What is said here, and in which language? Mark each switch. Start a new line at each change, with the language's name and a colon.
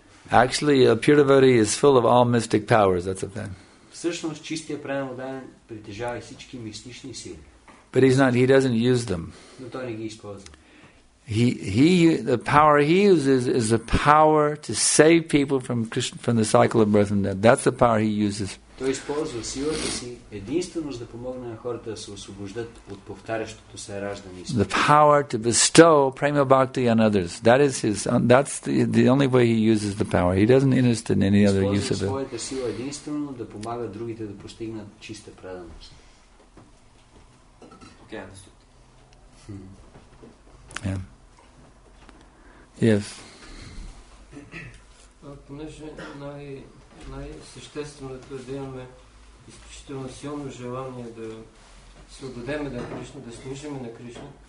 English: Actually, a pure devotee is full of all mystic powers, that's a thing.
Bulgarian: Всъщност чистия преданост притежава всички мистични сили.
English: But he doesn't use them.
Bulgarian: Но той не ги използва.
English: The power he uses is the power to save people from the cycle of birth and death. That's the power he uses.
Bulgarian: Той използва силата си единствено за да помогне на хората да се освобождат от повтарящото се раждане.
English: The power to bestow prema bhakti on others. That is his. That's the only way he uses the power. He doesn't interest in any other use of it.
Bulgarian: Използва своята сила единствено да помага другите да постигнат чиста преданост.
English: Okay, Yes.
Bulgarian: Понеже най-същественото е да имаме изключително силно желание да се отдадем на Кришна, да служим на Кришна.